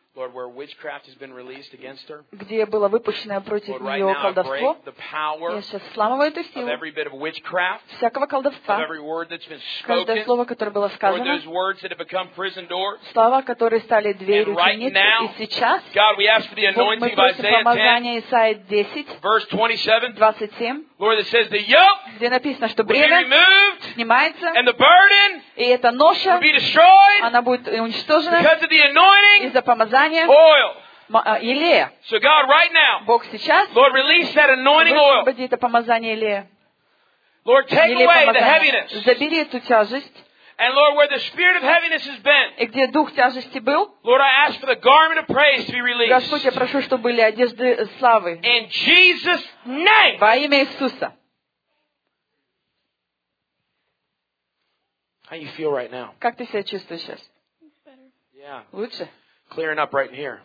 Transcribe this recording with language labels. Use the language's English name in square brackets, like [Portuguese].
[English] Lord, where witchcraft has been released against her. [Russian] Где было выпущено против нее колдовство? Я сейчас сломываю эту силу. [English] Of every bit of witchcraft. [Russian] Всякого колдовства. [English] Of every word that's been spoken. [Russian] Каждое слово, которое было сказано. [English] Lord, those words that have become prison doors. [Russian] Слова, которые стали дверью темницы. [English] And right now. [Russian] И сейчас. [English] God, we ask for the anointing by Isaiah 10. [Russian] Мы просим помазание Исаия 10. [English] Verse 27. Lord, that says the yoke. [Russian] Где написано, что бремя снимается. [English] And the burden. [Russian] И эта ноша. [English] Will be destroyed. [Russian] Она будет уничтожена. [English] Because of the anointing. [Russian] Из-за помазания. [English] Oil. So God, right now, [Russian] Бог сейчас, [English] Lord, release that anointing oil. [Russian] Господи, это помазание Илия. [English] Lord, take away the heaviness. [Russian] Забери эту тяжесть. [English] And Lord, where the spirit of heaviness has been, [Russian] и где дух тяжести был, [English] Lord, I ask for the garment of praise to be released. [Russian] Господь, я прошу, чтобы были одежды славы. [English] In Jesus' name. [Russian] Во имя Иисуса. [English] How you feel right now? [Russian] Как ты себя чувствуешь сейчас? [English] Yeah. [Russian] Лучше? [English] Clearing up right here.